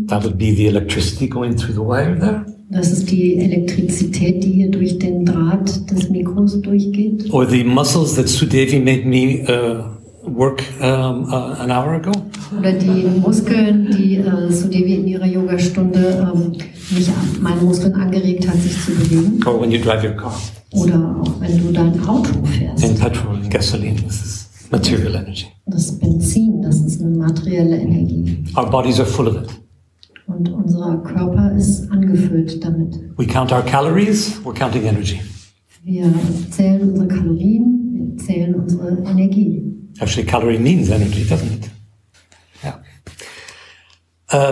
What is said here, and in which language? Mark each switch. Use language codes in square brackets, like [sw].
[en] That would be the electricity going through the wire there. [de] Das ist die Elektrizität, die hier durch den Draht des Mikros durchgeht. [en] Or the muscles that Sudevi made me work an hour ago. [de] Oder die Muskeln, die Sudevi in ihrer Yogastunde meine Muskeln angeregt hat, sich zu bewegen. [en] Or when you drive your car. [de] Oder auch wenn du dein Auto fährst. [en] In petrol, in gasoline, this is material energy. [de] Das ist Benzin, das ist eine materielle Energie. [en] Our bodies are full of it. [de] Und unser Körper ist angefüllt damit. [en] We count our calories, we're counting energy. [de] Wir zählen unsere Kalorien, wir zählen unsere Energie. [en] Actually, calorie means energy, doesn't it? Yeah.